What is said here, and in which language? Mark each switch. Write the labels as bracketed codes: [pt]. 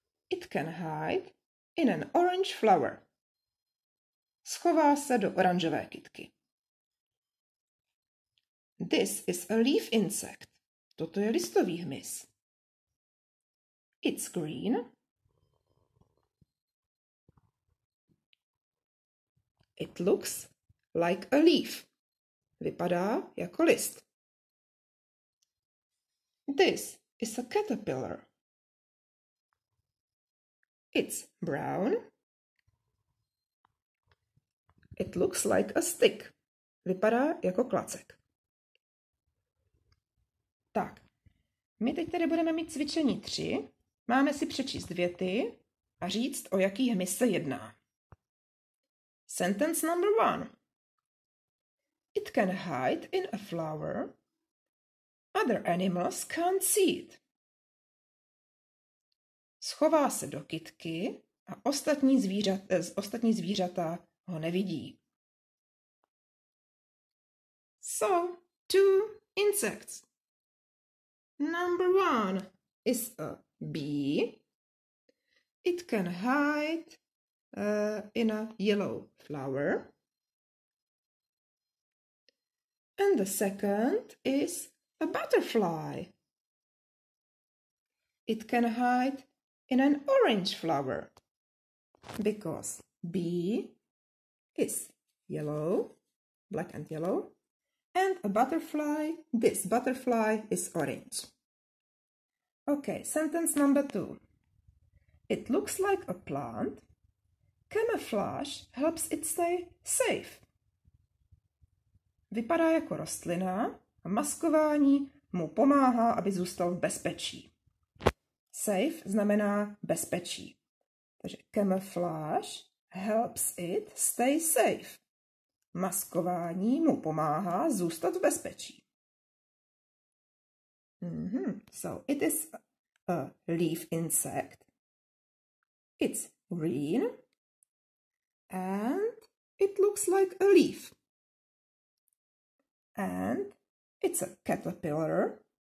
[en] It can hide in an orange flower. [cs] Schová se do oranžové kytky. [en] This is a leaf insect. [cs] Toto je listový hmyz. [en] It's green. It looks like a leaf. [cs] Vypadá jako list. [en] This is a caterpillar. It's brown. It looks like a stick. [cs] Vypadá jako klacek. Tak, my teď tady budeme mít cvičení 3. Máme si přečíst věty a říct, o jaký hmyz se jedná. [en] Sentence number one. It can hide in a flower. Other animals can't see it. [cs] Schová se do kytky a ostatní zvířata ho nevidí. [en] So, two insects. Number one is a bee. It can hide in a yellow flower. And the second is a butterfly. It can hide in an orange flower. Because bee is yellow, black and yellow. And a butterfly, this butterfly is orange. Okay, sentence number two. It looks like a plant. Camouflage helps it stay safe. [cs] Vypadá jako rostlina a maskování mu pomáhá, aby zůstal v bezpečí. [en] Safe [cs] znamená bezpečí. Takže [en] camouflage helps it stay safe. [cs] Maskování mu pomáhá zůstat v bezpečí. [en] So it is a leaf insect. It's green and It looks like a leaf. And it's a caterpillar.